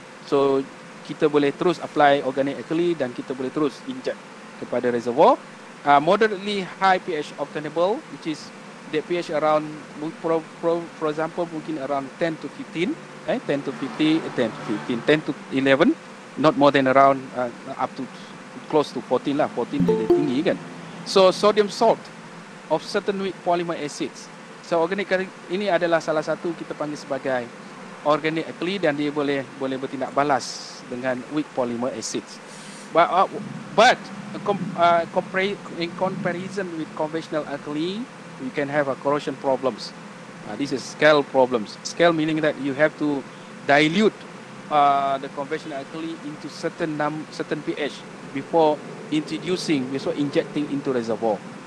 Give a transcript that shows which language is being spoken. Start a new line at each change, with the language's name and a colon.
Malay: So kita boleh terus apply organic alkali dan kita boleh terus inject kepada reservoir.
English: Moderately high pH obtainable, which is the pH around, for example,
Malay: mungkin
English: around 10 to 15, 10 to 15, 10 to 15, 10 to 11, not more than around up to close to 14 lah, 14 dia tinggi kan. So sodium salt of certain weak polymer acids.
Malay: So organic ini adalah salah satu kita panggil sebagai organic alkali dan dia boleh bertindak balas dengan weak polymer acids.
English: But in comparison with conventional alkali, you can have a corrosion problems. This is scale problems. Scale meaning that you have to dilute the conventional alkali into certain pH before injecting into reservoir.